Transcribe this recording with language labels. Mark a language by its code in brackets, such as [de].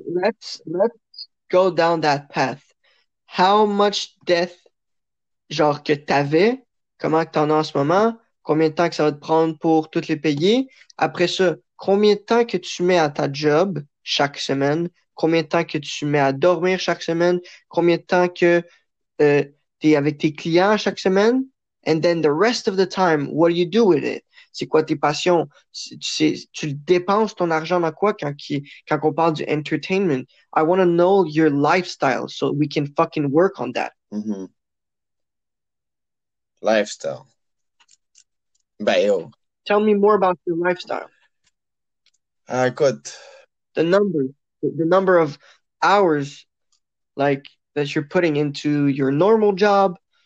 [en] Let's go down that path. How much death, [fr] genre, que t'avais, comment que t'en as en ce moment, combien de temps que ça va te prendre pour toutes les payer? Après ça, combien de temps que tu mets à ta job chaque semaine? Combien de temps que tu mets à dormir chaque semaine? Combien de temps que t'es avec tes clients chaque semaine? [en] And then the rest of the time, what do you do with it? [fr] C'est quoi tes passions? Tu dépenses ton argent dans quoi quand on parle du entertainment? [en] I want to know your lifestyle so we can fucking work on that. Lifestyle. Bio. Tell me more about your lifestyle. [fr] Écoute. [en] The number of hours like that you're putting into your normal job.